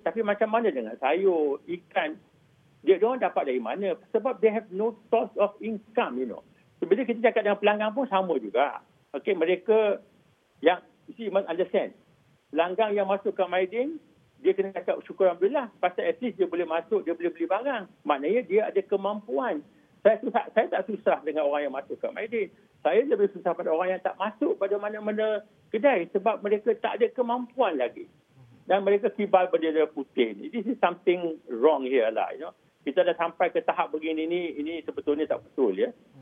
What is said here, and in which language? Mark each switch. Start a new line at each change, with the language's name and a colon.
Malay: Tapi macam mana dengan sayur, ikan, dia orang dapat dari mana? Sebab
English: they have no source of income, you know.
Malay: Sebenarnya kita cakap dengan pelanggan pun sama juga.
English: Okay,
Malay: mereka yang,
English: you see, you must understand.
Malay: Pelanggan yang masuk ke Maidin, dia kena cakap syukur Alhamdulillah. Pasal
English: at least
Malay: dia boleh masuk, dia boleh beli barang. Maknanya dia ada kemampuan. Saya tak susah dengan orang yang masuk ke Maidin. Saya lebih susah pada orang yang tak masuk pada mana-mana kedai sebab mereka tak ada kemampuan lagi. Dan mereka kibar bendera putih.
English: This is something wrong here lah, you know.
Malay: Kita dah sampai ke tahap begini ni, ini sebetulnya tak betul ya.